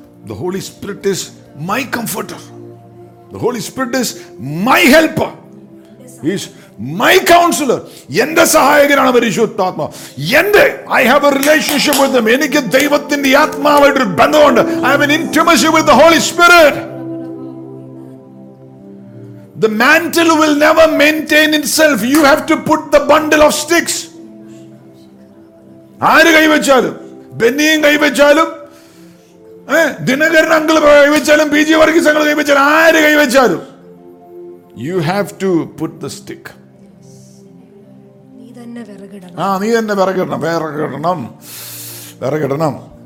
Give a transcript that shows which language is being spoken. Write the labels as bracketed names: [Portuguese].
[English] the holy spirit is my comforter, the holy spirit is my helper, is my counsellor, [Malayalam] എന്റെ സഹായകനാണ് പരിശുദ്ധാത്മാ എന്റെ. [English] I have a relationship with them, [Malayalam] എനിക്ക് ദൈവത്തിന്റെ ആത്മാവായിട്ട് ഒരു ബന്ധമുണ്ട്. [English] I have an intimacy with the holy spirit. The mantle will never maintain itself. You have to put the bundle of sticks. [Malayalam] ആരു കൈവച്ചാലും, ബെന്നിയും കൈവച്ചാലും, Dinakaran uncle കൈവച്ചാലും, P G Varghese uncle കൈവച്ചാലും, ആര് കൈവച്ചാലും, [English] you have to put the stick. [Malayalam] നീ തന്നെ വിറകിടണം, വിറകിടണം.